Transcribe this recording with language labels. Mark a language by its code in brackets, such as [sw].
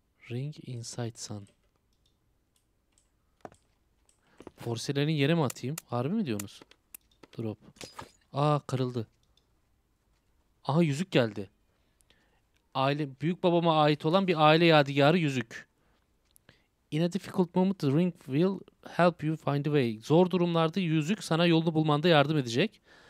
[en] Ring inside sun. [tr] Porseleni yere mi atayım? Harbi mi diyorsunuz? Drop. Aa kırıldı. Aha yüzük geldi. Aile, büyük babama ait olan bir aile yadigarı yüzük. [en] In a difficult moment the ring will help you find a way. [tr] Zor durumlarda yüzük sana yolunu bulmanda yardım edecek.